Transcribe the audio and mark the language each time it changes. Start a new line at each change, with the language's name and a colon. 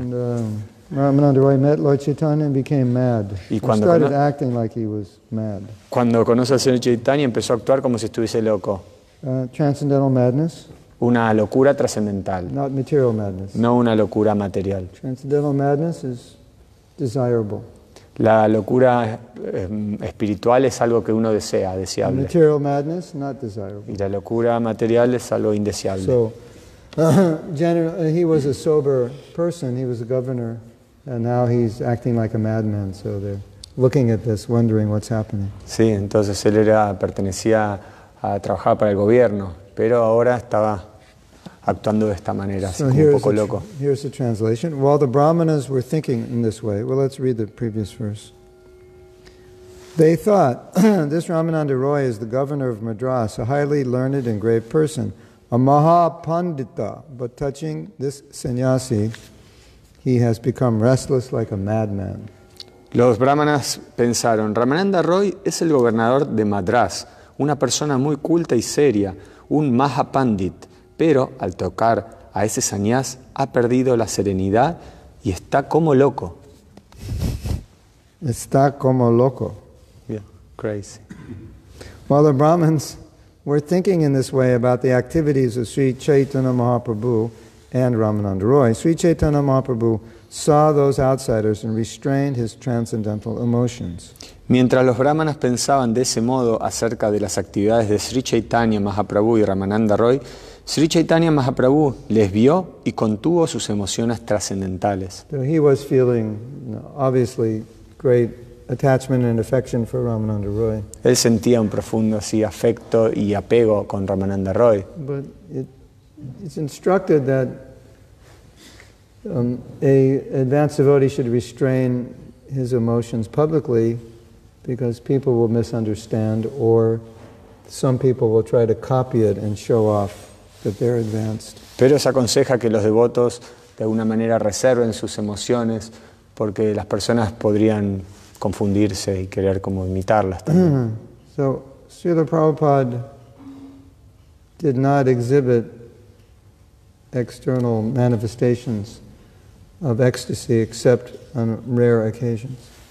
English: And Rāmānanda Rāya met Lord Caitanya and became mad.
Spanish: Y cuando
English: started acting like he was mad.
Spanish: Cuando conoce al señor Caitanya empezó a actuar como si estuviese loco.
English: Transcendental madness.
Spanish: Una locura trascendental.
English: Not material madness.
Spanish: No una locura material.
English: Transcendental madness is desirable.
Spanish: La locura espiritual es algo que uno desea, deseable.
English: Material madness, not desirable.
Spanish: Y la locura material es algo indeseable.
English: So, he was a sober person, he was a governor, and now he's acting like a madman, so they're looking at this, wondering what's happening.
Spanish: Sí, entonces él era, pertenecía a trabajar para el gobierno, pero ahora estaba actuando de esta manera, so así, como un poco loco.
English: Here's the translation. While the brāhmaṇas were thinking in this way, well, let's read the previous verse. They thought, this Rāmānanda Rāya is the governor of Madras, a highly learned and grave person, a mahāpandita, but touching this sannyasi, he has become restless like a madman.
Spanish: Los brāhmaṇas pensaron, Rāmānanda Rāya es el gobernador de Madras, una persona muy culta y seria, un mahāpandit. Pero al tocar a ese sannyas ha perdido la serenidad y está como loco. Está como loco.
English: Yeah, crazy. While the Brahmins were thinking in this way about the activities of Sri Caitanya Mahāprabhu and Rāmānanda Rāya, Sri Caitanya Mahāprabhu saw those outsiders and restrained his transcendental emotions.
Spanish: Mientras los brahmanas pensaban de ese modo acerca de las actividades de Sri Caitanya Mahāprabhu y Rāmānanda Rāya, Sri Caitanya Mahaprabhu les vio y contuvo sus emociones trascendentales.
English: He was feeling obviously great attachment and affection for Rāmānanda Rāya.
Spanish: Él sentía un profundo así afecto y apego con Rāmānanda Rāya.
English: But it's instructed that an advanced devotee should restrain his emotions publicly because people will misunderstand or some people will try to copy it and show off that they're advanced.
Spanish: Pero se aconseja que los devotos de alguna manera reserven sus emociones porque las personas podrían confundirse y querer como imitarlas también. Mm-hmm.
English: So, Srila Prabhupada did not exhibit external manifestations of ecstasy except on rare occasions.